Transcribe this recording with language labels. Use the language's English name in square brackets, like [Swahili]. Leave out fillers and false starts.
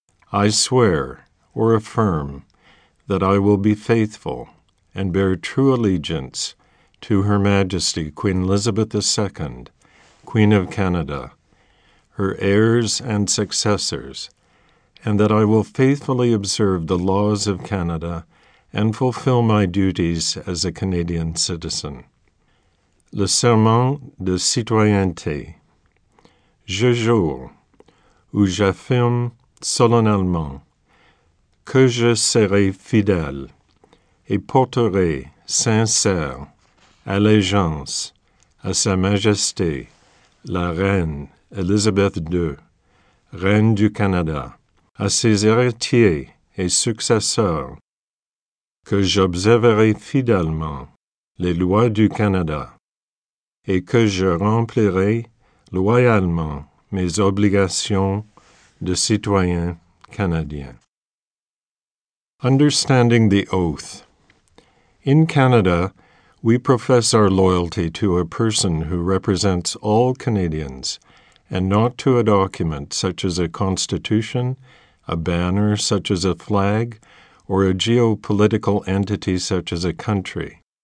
[English] I swear or affirm that I will be faithful and bear true allegiance to Her Majesty Queen Elizabeth II, Queen of Canada, her heirs and successors, and that I will faithfully observe the laws of Canada and fulfill my duties as a Canadian citizen. [French] Le serment de citoyenneté. Je jure, ou j'affirme solennellement, que je serai fidèle et porterai sincère allégeance à Sa Majesté la Reine Elizabeth II, Reine du Canada, à ses héritiers et successeurs, que j'observerai fidèlement les lois du Canada et que je remplirai loyalement mes obligations de citoyen canadien. [English] Understanding the Oath. In Canada, we profess our loyalty to a person who represents all Canadians and not to a document such as a constitution, a banner such as a flag, or a geopolitical entity such as a country.